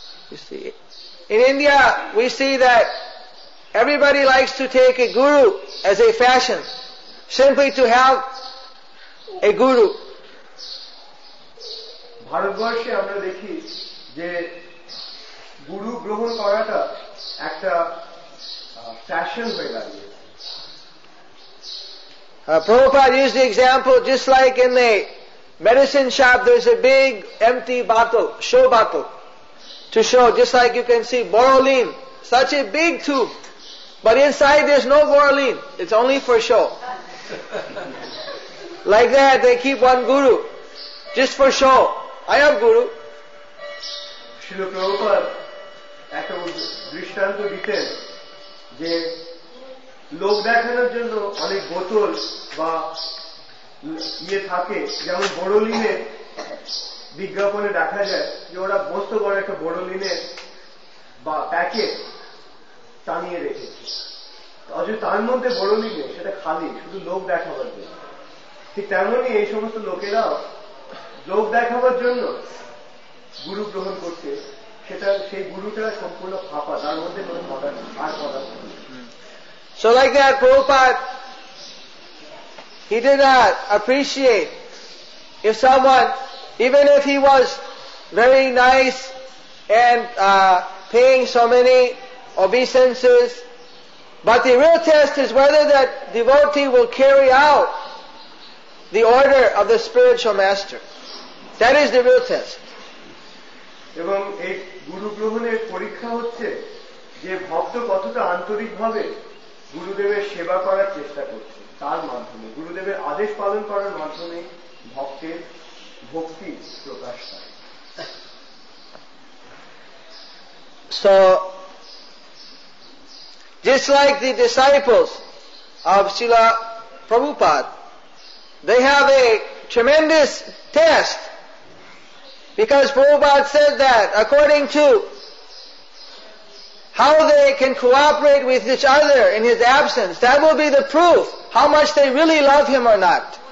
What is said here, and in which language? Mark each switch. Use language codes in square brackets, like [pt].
[en] You see, in India, we see that everybody likes to take a guru as a fashion, simply to have a guru. [bn] ভারতবর্ষে আমরা দেখি যে গুরু গ্রহণ করাটা একটা ফ্যাশন হয়ে গেছে। [en] Prabhupada used the example just like in the medicine shop, there is a big empty bottle, show bottle, to show, just like you can see boroline, such a big tube, but inside there is no boroline, it's only for show. Like that, they keep one guru, just for show. I am guru. [bn] Srila Prabhupada, ekta drishtanto diten, je log dekhanor jonno onek botol ba ইয়ে থাকে, যেমন বড়লিনে বিজ্ঞাপনে দেখা যায় যে ওরা মস্ত বড় একটা বড়লিনে বা প্যাকেট টানিয়ে রেখেছে, অথচ তার মধ্যে বড়লিনে সেটা খালি, শুধু লোক দেখাবার জন্য। ঠিক তেমনই এই সমস্ত লোকেরাও লোক দেখাবার জন্য গুরু গ্রহণ করছে, সেটা সেই গুরুটা সম্পূর্ণ ফাঁপা, তার মধ্যে কোনো পদার্থ আর পদার্থ নেই। [en] He did not appreciate if someone, even if he was very nice and paying so many obeisances, but the real test is whether that devotee will carry out the order of the spiritual master. That is the real test. [bn] এবং এই গুরু গ্রহণের পরীক্ষা হচ্ছে যে ভক্ত কতটা আন্তরিকভাবে গুরুদেবের সেবা করার চেষ্টা করছে। তার মাধ্যমে গুরুদেবের আদেশ পালন করার মাধ্যমে ভক্তের ভক্তি প্রকাশ পায়। [en] So, just like the disciples of Srila Prabhupada, they have a tremendous test, because Prabhupada said that according to how they can cooperate with each other in his absence, that will be the proof how much they really love him or not.